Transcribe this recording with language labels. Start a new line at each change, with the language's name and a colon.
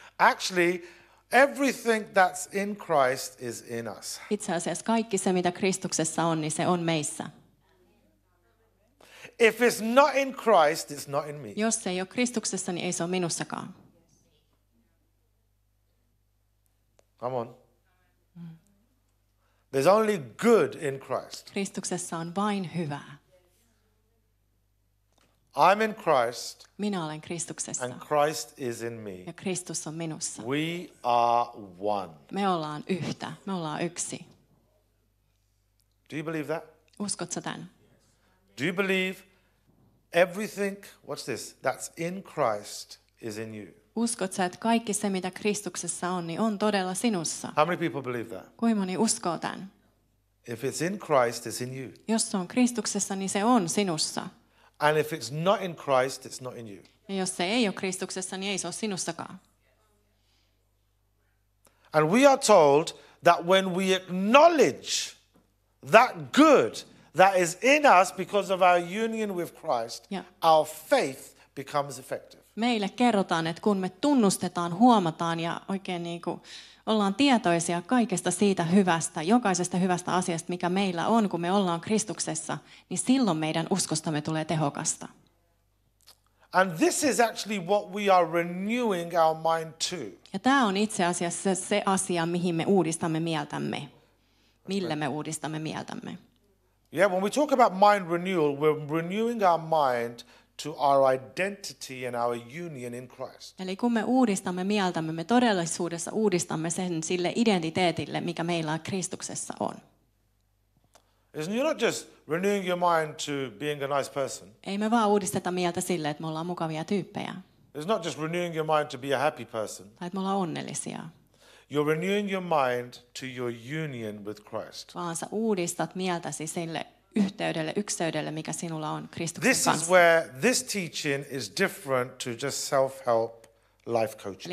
English: Actually, everything that's in Christ is in us.
Finnish: Itse asiassa kaikki se, mitä Kristuksessa on, niin se on meissä.
English: If it's not in Christ, it's not in me.
Finnish: Jos se ei ole Kristuksessa, niin ei se ole minussakaan.
English: Come on. There's only good in Christ.
Finnish: Kristuksessa on vain hyvää.
English: I'm in Christ.
Finnish: Minä olen Kristuksessa.
English: And Christ is in me.
Finnish: Ja Kristus on minussa.
English: We are one.
Finnish: Me ollaan yhtä. Me ollaan yksi.
English: Do you believe that?
Finnish: Uskotko tämän?
English: Do you believe everything, what's this, that's in Christ is in you?
Finnish: Uskot sä, että kaikki se, mitä Kristuksessa on, niin on todella sinussa?
English: How many people believe that?
Finnish: Kuinka moni uskoo tämän?
English: If it's in Christ, it's in you.
Finnish: Jos se on Kristuksessa, niin se on sinussa.
English: And if it's not in Christ, it's not in you.
Finnish: Ja jos se ei ole Kristuksessa, niin ei se ole sinussakaan.
English: And we are told that when we acknowledge that good that is in us because of our union with Christ, yeah, our faith becomes effective.
Finnish: Meille kerrotaan, että kun me tunnustetaan, huomataan ja oikein niin kuin ollaan tietoisia kaikesta siitä hyvästä, jokaisesta hyvästä asiasta, mikä meillä on, kun me ollaan Kristuksessa, niin silloin meidän uskostamme tulee tehokasta.
English: And this is actually what we are renewing our mind to.
Finnish: Ja tämä on itse asiassa se asia, mihin me uudistamme mieltämme. Mille me uudistamme mieltämme.
English: Yeah, when we talk about mind renewal, we're renewing our mind to our identity and our union in Christ.
Finnish: Eli kun me uudistamme mieltämme, me todellisuudessa uudistamme sen sille identiteetille, mikä meillä Kristuksessa on.
English: Isn't you not just renewing your mind to being a nice person?
Finnish: Ei me vaan uudisteta mieltä sille, että me ollaan mukavia tyyppejä.
English: It's not just renewing your mind to be a happy person.
Finnish: Tai että me ollaan onnellisia.
English: You're renewing your mind to your union with Christ.
Finnish: Vaan sä uudistat mieltäsi sille yhteydelle, ykseydelle, mikä sinulla on Kristuksen kanssa.
English: This is where this teaching is different to just self-help life coaching.